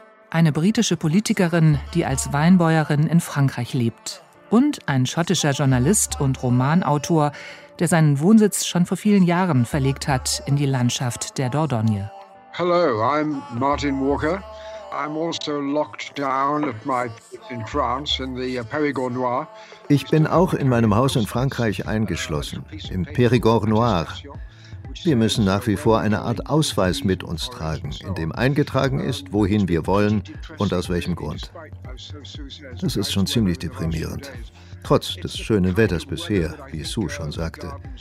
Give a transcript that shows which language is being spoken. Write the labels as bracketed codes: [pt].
[de] Eine britische Politikerin, die als Weinbäuerin in Frankreich lebt. Und ein schottischer Journalist und Romanautor, der seinen Wohnsitz schon vor vielen Jahren verlegt hat in die Landschaft der Dordogne. [en] Hello, I'm Martin Walker. I'm also locked down at my in France in the Périgord Noir. [de] Ich bin auch in meinem Haus in Frankreich eingeschlossen, im Périgord Noir. Wir müssen nach wie vor eine Art Ausweis mit uns tragen, in dem eingetragen ist, wohin wir wollen und aus welchem Grund. Das ist schon ziemlich deprimierend, trotz des schönen Wetters bisher, wie Sue schon sagte.